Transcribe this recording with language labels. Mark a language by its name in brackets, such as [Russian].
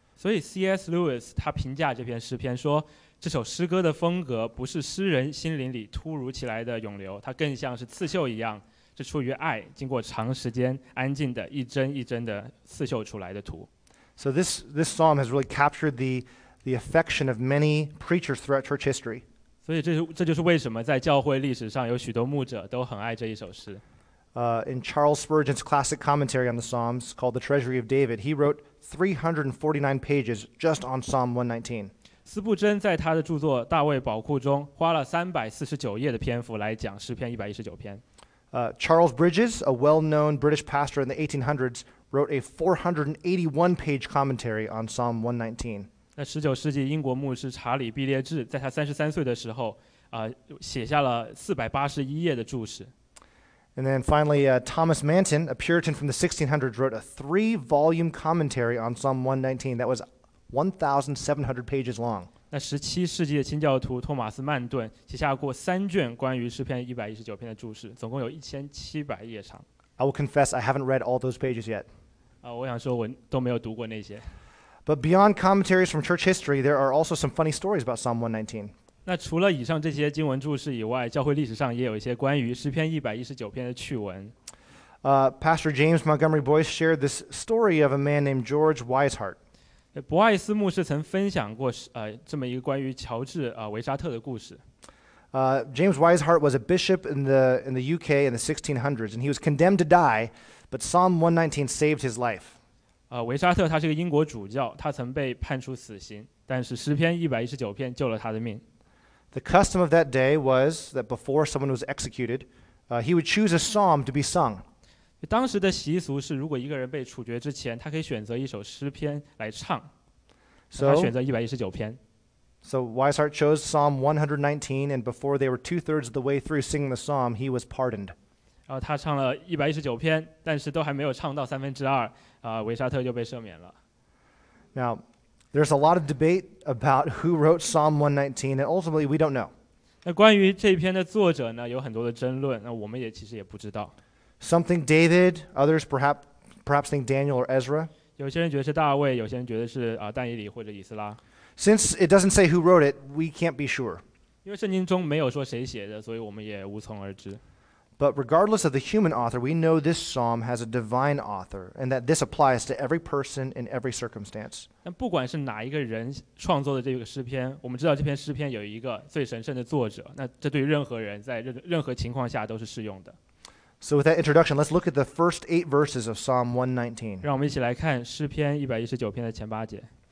[Chinese] 所以 C.S. Lewis 他评价这篇诗篇说。这首诗歌的风格不是诗人心灵里突如其来的涌流，它更像是刺绣一样，是出于爱，经过长时间安静的一针一针的刺绣出来的图。 [English] So this psalm has really captured the affection of many preachers throughout church history. [Chinese] 所以这就是为什么在教会历史上有许多牧者都很爱这一首诗。 [English] In Charles Spurgeon's classic commentary on the Psalms called The Treasury of David, he wrote 349 pages just on Psalm 119. [Chinese] 斯布珍在他的著作《大卫宝库》中花了349页的篇幅来讲诗篇119篇。 [English] Charles Bridges, a well-known British pastor in the 1800s, wrote a 481-page commentary on Psalm 119. [Chinese] 那19世纪英国牧师查理·毕列治在他33岁的时候，写下了481页的注释。 [English] And then finally, Thomas Manton, a Puritan from the 1600s, wrote a 3-volume commentary on Psalm 119 that was 1,700 pages long. [Chinese] 那17世纪的清教徒托马斯·曼顿写下过三卷关于诗篇119篇的注释，总共有1700页长。 [English] I will confess I haven't read all those pages yet. [Chinese] 我想说我都没有读过那些。 [English] But beyond commentaries from church history, there are also some funny stories about Psalm 119. [Chinese] 那除了以上这些经文注释以外，教会历史上也有一些关于诗篇119篇的趣闻。 [English] Pastor James Montgomery Boyce shared this story of a man named George Wisehart. [Chinese] 博爱斯牧师曾分享过这么一个关于乔治维沙特的故事。 [English] James Wisehart was a bishop in the UK in the 1600s, and he was condemned to die, but Psalm 119 saved his life. [Chinese] 维沙特他是个英国主教，他曾被判处死刑，但是诗篇119篇救了他的命。 [English] The custom of that day was that before someone was executed, he would choose a psalm to be sung. [Chinese] 当时的习俗是，如果一个人被处决之前，他可以选择一首诗篇来唱。 [English] So, [Chinese] 他选择119篇。 [English] So Wisehart chose Psalm 119, and before they were two-thirds of the way through singing the psalm, he was pardoned. [Chinese] 然后他唱了119篇，但是都还没有唱到三分之二，维沙特就被赦免了。 [English] Now, there's a lot of debate about who wrote Psalm 119, and ultimately we don't know. [Chinese] 那关于这篇的作者呢，有很多的争论，那我们也其实也不知道。 [English] Some think David, others perhaps think Daniel or Ezra. [Chinese] 有些人觉得是大卫，有些人觉得是但以理或者以斯拉。 [English] Since it doesn't say who wrote it, we can't be sure. [Chinese] 因为圣经中没有说谁写的，所以我们也无从而知。 [English] But regardless of the human author, we know this psalm has a divine author, and that this applies to every person in every circumstance. [Chinese] 但不管是哪一个人创作的这个诗篇，我们知道这篇诗篇有一个最神圣的作者，那这对任何人在任何情况下都是适用的。 [English] So with that introduction, let's look at the first 8 verses of Psalm 119. [Chinese] 让我们一起来看诗篇119篇的前八节。